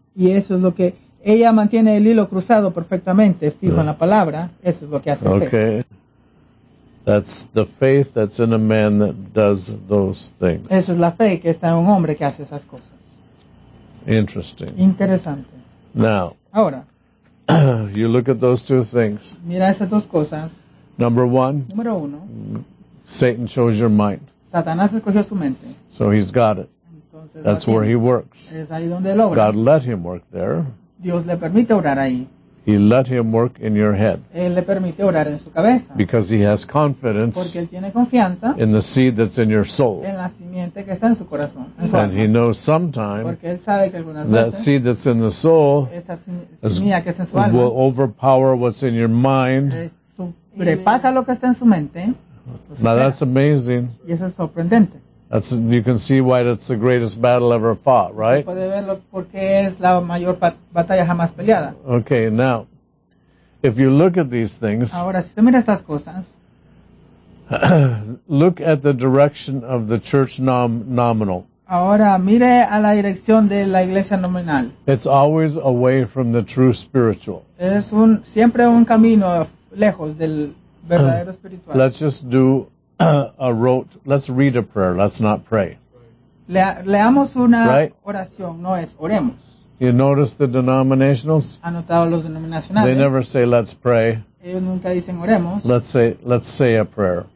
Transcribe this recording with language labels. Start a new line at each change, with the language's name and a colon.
Spanish: Y eso es lo que ella mantiene el hilo cruzado perfectamente fijo en la palabra. Eso es lo que hace fe.
English: Okay. That's the faith that's in a man that does those things.
Spanish: Eso es la fe que está en un hombre que hace esas cosas.
English: Interesting.
Spanish: Interesante.
English: Now.
Spanish: Ahora.
English: You look at those two things.
Spanish: Mira esas dos cosas.
English: Number one.
Spanish: Número uno.
English: Satan chose your mind.
Spanish: Satanás escogió su mente.
English: So he's got it.
Spanish: Entonces,
English: that's where he works.
Spanish: Es ahí donde él obra.
English: God let him work there.
Spanish: Dios le permite orar ahí.
English: He let him work in your head.
Spanish: Él le permite orar en su cabeza.
English: Because he has confidence.
Spanish: Porque él tiene confianza.
English: In the seed that's in your soul.
Spanish: En la simiente que está en su corazón.
English: And he knows sometime.
Spanish: Porque él sabe que algunas veces.
English: That seed that's in the soul.
Spanish: Esa semilla que está en su alma.
English: Will overpower what's in your mind.
Spanish: Sobrepasa lo que está en su mente.
English: Now that's amazing.
Spanish: Y eso es sorprendente.
English: That's, you can see why that's the greatest battle ever fought, right?
Spanish: Puede verlo porque es la mayor batalla jamás peleada.
English: Okay, now, if you look at these things,
Spanish: ahora, si usted mira estas cosas,
English: look at the direction of the church nominal.
Spanish: Ahora, mire a la dirección de la iglesia nominal.
English: It's always away from the true spiritual.
Spanish: Es un, siempre un camino lejos del verdadero espiritual.
English: Let's just do let's read a prayer, let's not pray.
Spanish: Leamos una oración, no es oremos.
English: You notice the denominationals?
Spanish: ¿Han notado los denominacionales?
English: They never say let's pray.
Spanish: Ellos nunca dicen oremos.
English: Let's say a prayer.